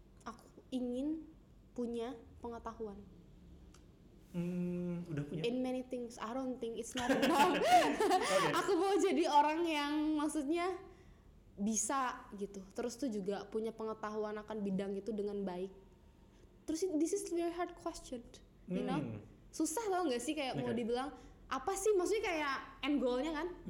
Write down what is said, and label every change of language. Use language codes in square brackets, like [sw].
[id] Aku ingin punya pengetahuan. Udah punya. [en] In many things, I don't think it's not enough. Okay. [id] Aku mau jadi orang yang maksudnya bisa gitu, terus tuh juga punya pengetahuan akan bidang itu dengan baik. Terus [en] this is very hard question, you know, [id] susah tau gak sih kayak mau dibilang apa sih, maksudnya kayak end goalnya kan